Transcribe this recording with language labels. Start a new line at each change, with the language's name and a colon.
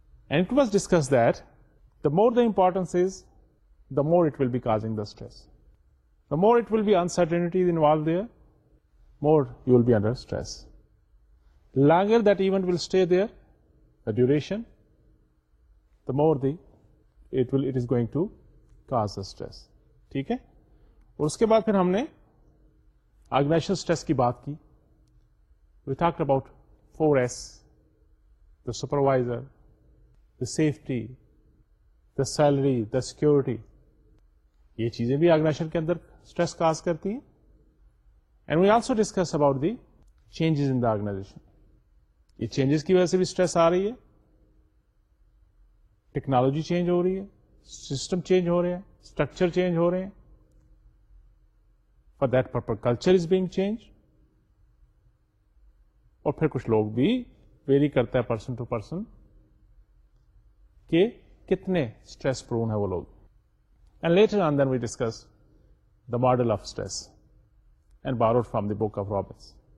English: And it was discussed that the more the importance is, the more it will be causing the stress. The more it will be uncertainties involved there, more you will be under stress. Longer that event will stay there, the duration, the more the it is going to cause the stress.
Urdu: ٹھیک ہے؟ اور اس کے بعد پھر ہم نے organization stress کی بات کی.
English: We talked about 4S, the supervisor, the safety, the salary, the security.
Urdu: یہ چیزیں بھی آرگنائزیشن کے اندر اسٹریس کاز کرتی ہیں.
English: And we also discuss about the changes in the organization.
Urdu: یہ چینجز کی وجہ سے بھی اسٹریس آ رہی ہے، ٹیکنالوجی چینج ہو رہی ہے، سسٹم چینج ہو رہے ہیں، اسٹرکچر چینج ہو رہے ہیں،
English: For that purpose culture is being change.
Urdu: اور پھر کچھ لوگ بھی ویری کرتا ہے
English: person to person
Urdu: کہ کتنے سٹریس پرون ہے وہ لوگ.
English: And later on then we discuss the model of stress and borrowed from the book of Robbins.